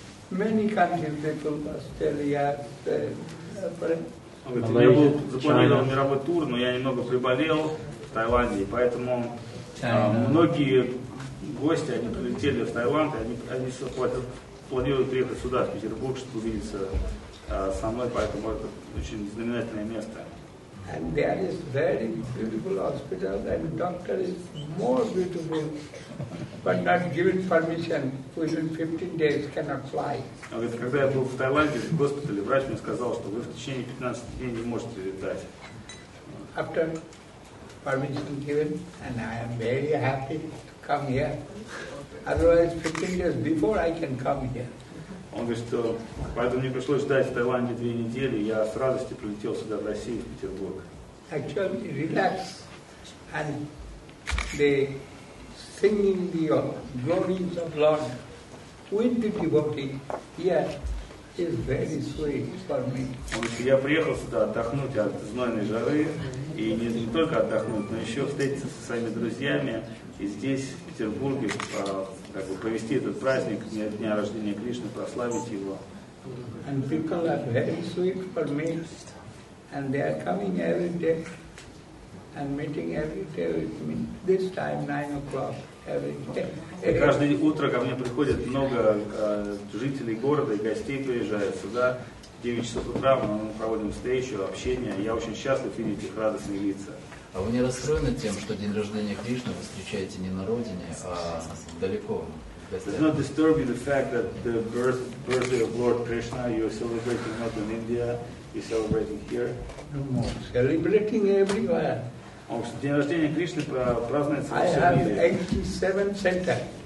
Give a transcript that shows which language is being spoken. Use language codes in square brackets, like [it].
[en] Many countries people, Australia, [ru] Я был запланирован мировой тур, но я немного приболел в Таиланде, поэтому многие гости, они прилетели в Таиланд, и они планируют приехать сюда, в Петербург, чтобы увидеться со мной, поэтому это очень знаменательное место. [en] And there is very beautiful hospital, and doctor is more beautiful, but not given permission. Within 15 days cannot fly. [ru] Говорит, когда я был в Таиланде в госпитале, врач мне сказал, что вы в течение 15 дней не можете летать. [en] After permission given, and I am very happy to come here. Otherwise, 15 days before I can come here. [ru] Он говорит, что поэтому мне пришлось ждать в Таиланде 2 недели, я с радостью прилетел сюда в Россию, в Петербург. [en] Actually, relax and the singing the glories of Lord with the devotee here is very sweet for me. [ru] Он говорит, я приехал сюда отдохнуть от знойной жары, и не только отдохнуть, но еще встретиться со своими друзьями, и здесь, в Петербурге, как бы провести этот праздник, дня рождения Кришны, прославить его. [en] And people are very sweet for me. And they are coming every day and meeting every day with me. This time 9 o'clock every day. [ru] И каждое утро ко мне приходят много жителей города и гостей приезжают сюда. 9 часов утра мы проводим встречу, общение. Я очень счастлив видеть их радостные лица. А вы не расстроены тем, что день рождения Кришны вы встречаете не на родине, а далеко? [en] Does not disturb you the fact that the birthday of Lord Krishna you are celebrating not in India, you celebrating here? No more. Celebrating everywhere. [ru] Он говорит, день рождения Кришны празднуется во всем мире. [en] I have 87 centers.